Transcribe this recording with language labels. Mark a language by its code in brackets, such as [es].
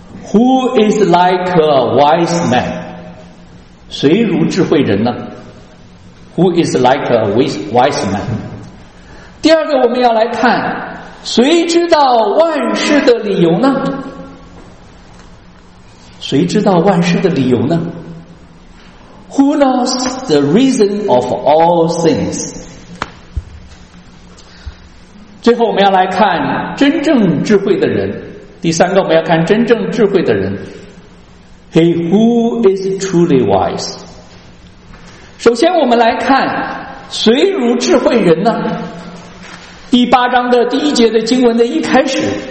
[en] Who is like a wise man？ [zh] 谁如智慧人呢？ [en] Who is like a wise man？ [zh] 第二个，我们要来看谁知道万事的理由呢？谁知道万事的理由呢？ [en] Who knows the reason of all things？ [zh] 最后我们要来看真正智慧的人。第三个，我们要看真正智慧的人。 [en] He who is truly wise。 [zh] 首先，我们来看谁如智慧人呢？第八章的第一节的经文的一开始，